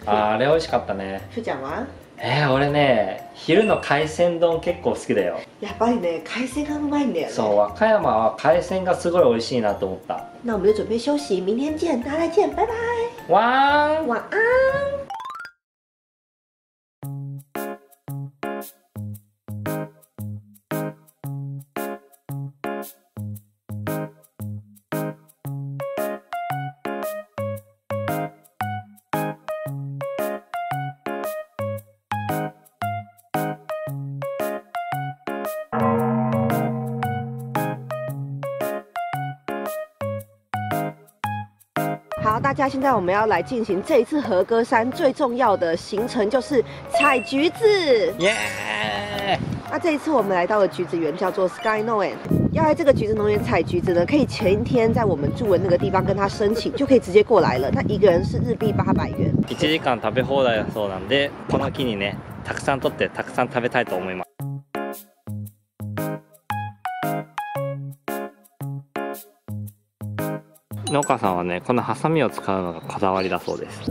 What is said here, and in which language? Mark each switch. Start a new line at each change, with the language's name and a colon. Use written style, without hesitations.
Japanese: 啊，あれ美味しかったね。
Chinese: 是讲吗？
Japanese: 俺ね、昼の海鮮丼結構好きだよ。やばいね、海鮮がうまいんだよね。そう、和歌山は海鮮がすごい美味しいなと思った。
Chinese: 那我们就准备休息，明天见，大家再见，拜拜。晚安。晚安。
English: Thank you.
Chinese: 好，大家，现在我们要来进行这一次和歌山最重要的行程，就是采橘子。耶！那这一次我们来到的橘子园叫做 Sky Noen。要来这个橘子农园采橘子呢，可以前一天在我们住的那个地方跟他申请，就可以直接过来了。那一个人是日币800元。
Japanese: 一時間食べ放題だそうなんで、この木にね、たくさん取ってたくさん食べたいと思います。農家さんはね、このハサミを使うのがこだわりだそうです。